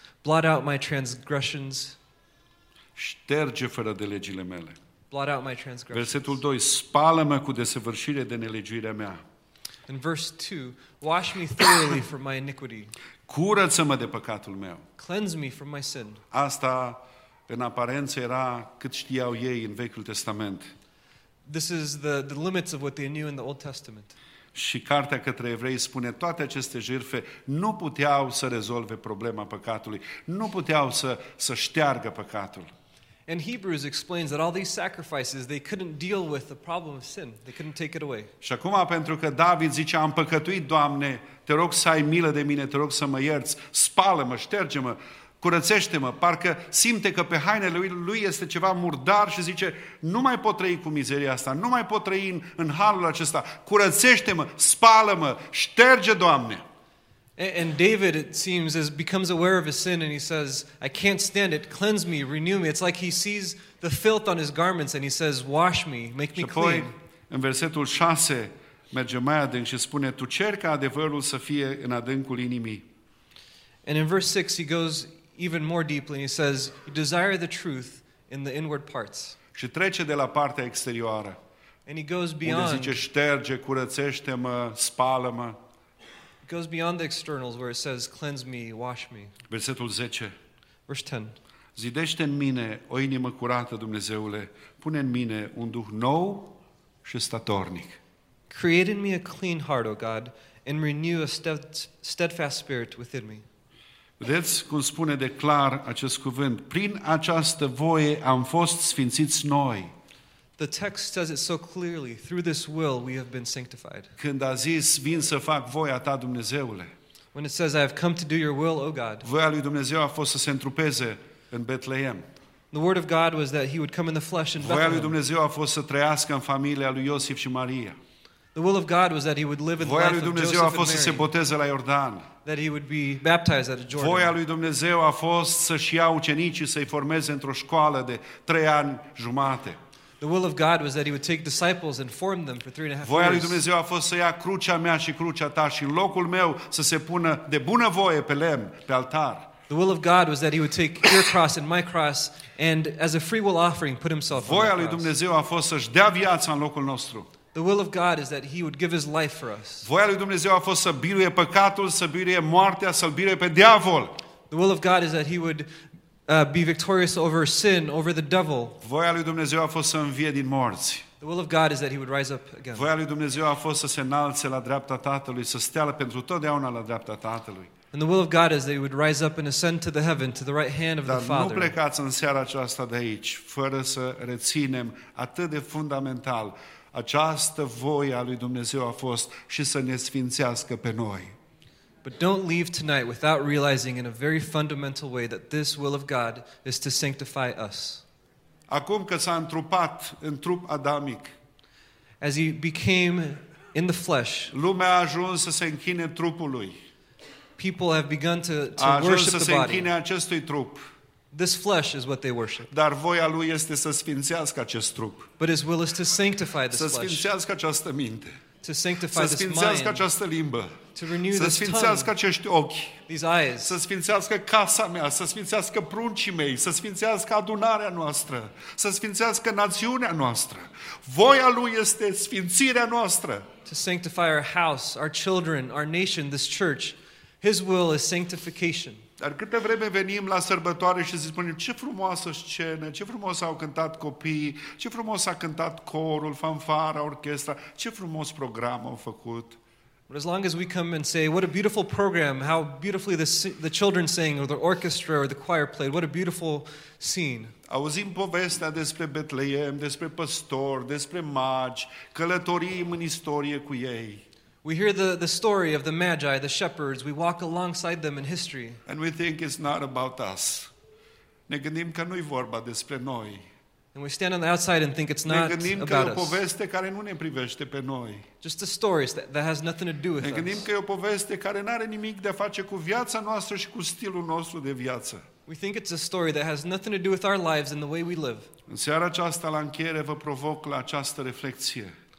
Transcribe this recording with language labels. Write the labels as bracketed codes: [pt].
[en] Blot out my transgressions. [ro] Șterge fără de legile mele. [en] Blot out my transgressions. [ro] Versetul 2. Spală-mă cu desăvârșire de nelegiuirea mea. [en] In verse 2. Wash me thoroughly from my iniquity. [ro] Curăță-mă de păcatul meu. [en] Cleanse me from my sin. [ro] Asta, în aparență, era cât știau ei în Vechiul Testament. [en] This is the limits of what they knew in the Old Testament. [ro] Și cartea către evrei spune toate aceste jertfe nu puteau să rezolve problema păcatului, nu puteau să șteargă păcatul. [en] And Hebrews explains that all these sacrifices they couldn't deal with the problem of sin. They couldn't take it away. [ro] Și acum pentru că David zice am păcătuit, Doamne, te rog să ai milă de mine, te rog să mă ierți, spală-mă, șterge-mă, curățește-mă, parcă simte că pe hainele lui este ceva murdar și zice, nu mai pot trăi cu mizeria asta, nu mai pot trăi în halul acesta, curățește-mă, spală-mă, șterge, Doamne. [en] And David, it seems, as becomes aware of his sin and he says, I can't stand it, cleanse me, renew me. It's like he sees the filth on his garments and he says, wash me, make me clean. [ro] Și apoi, în versetul 6, merge mai adânc și spune, tu cerca adevărul să fie în adâncul inimii. [en] And in verse 6, he goes even more deeply. He says, you desire the truth in the inward parts. [ro] Și trece de la partea exterioară. [en] And he goes beyond. [ro] Unde zice, șterge, curățește-mă, spală-mă. [en] He goes beyond the externals where it says, cleanse me, wash me. [ro] Versetul 10. [en] Verse 10. [ro] Zidește în mine o inimă curată, Dumnezeule. Pune în mine un duh nou și statornic. [en] Create in me a clean heart, O God, and renew a steadfast spirit within me. [ro] Vedeți cum spune de clar acest cuvânt. Prin această voie am fost sfințiți noi. [en] The text says it so clearly. Through this will we have been sanctified. [ro] Când a zis, vin să fac voia ta, Dumnezeule. [en] When it says, I have come to do your will, O God. [ro] Voia lui Dumnezeu a fost să se întrupeze în Betleem. [en] The word of God was that he would come in the flesh in [ro] Bethlehem. Voia lui Dumnezeu a fost să trăiască în familia lui Iosif și Maria. [en] The will of God was that he would live in the life of Joseph and Mary. [ro] Voia lui Dumnezeu a fost să se boteze la Iordan. [en] That he would be baptized at Jordan. [ro] Voia lui Dumnezeu a fost să-și ia ucenicii și să-i formeze într-o școală de 3 ani jumate. [en] The will of God was that he would take disciples and form them for 3.5 years. [ro] Voia lui Dumnezeu a fost să ia crucea mea și crucea ta și în locul meu să se pună de bună voie pe lemn, pe altar. [en] The will of God was that he would take your cross and my cross and as a free will offering put himself on the cross. [ro] Voia lui Dumnezeu a fost să-și dea viața în locul nostru. [en] The will of God is that he would give his life for us. [ro] Voia lui Dumnezeu a fost să biruie păcatul, să biruie moartea, să-l biruie pe diavol. [en] The will of God is that he would be victorious over sin, over the devil. [ro] Voia lui Dumnezeu a fost să învie din morți. [en] The will of God is that he would rise up again. [ro] Voia lui Dumnezeu a fost să se înalțe la dreapta Tatălui, să stea pentru totdeauna la dreapta Tatălui. [en] And the will of God is that he would rise up and ascend to the heaven, to the right hand of [ro] Dar [en] the Father. [ro] Dar nu plecați în seara aceasta de aici fără să reținem atât de fundamental această voie a lui Dumnezeu a fost și să ne sfințească pe noi. [en] But don't leave tonight without realizing in a very fundamental way that this will of God is to sanctify us. [ro] Acum că s-a întrupat în trup adamic. [en] As he became in the flesh. [ro] Lumea a ajuns să se închine trupului. [en] People have begun to worship the body. [ro] A ajuns să se închine acestui trup. [en] This flesh is what they worship. [ro] Dar voia lui este să sfințească acest trup. [en] But his will is to sanctify this flesh. [ro] Să sfințească această minte. [en] To sanctify this mind. [ro] Să sfințească această limbă. [en] To renew [ro] să sfințească acești ochi. [en] These eyes. [ro] Să sfințească casa mea, să sfințească pruncii mei, să sfințească adunarea noastră, să sfințească națiunea noastră. Voia lui este sfințirea noastră. [en] To sanctify our house, our children, our nation, this church. His will is sanctification. [ro] Dar câte vreme venim la sărbătoare și se spune ce frumoasă scenă, ce frumos au cântat copiii, ce frumos a cântat corul, fanfara, orchestra, ce frumos program au făcut. [en] But as long as we come and say, what a beautiful program, how beautifully the children sang, or the orchestra, or the choir played, what a beautiful scene. [ro] Auzim povestea despre Betleem, despre păstori, despre magi, călătorim în istorie cu ei. [en] We hear the story of the magi, the shepherds, we walk alongside them in history. And we think it's not about us. [ro] Ne gândim că nu-i vorba despre noi. [en] And we stand on the outside and think it's not [ro] ne gândim [en] about [ro] că e o poveste care nu ne privește pe noi. [en] Just a story that has nothing to do with us. [ro] Ne gândim că e o poveste care n-are nimic de a face cu viața noastră și cu stilul nostru de viață. [en] We think it's a story that has nothing to do with our lives and the way we live. [ro] În seara aceasta la încheiere vă provoc la această reflexie.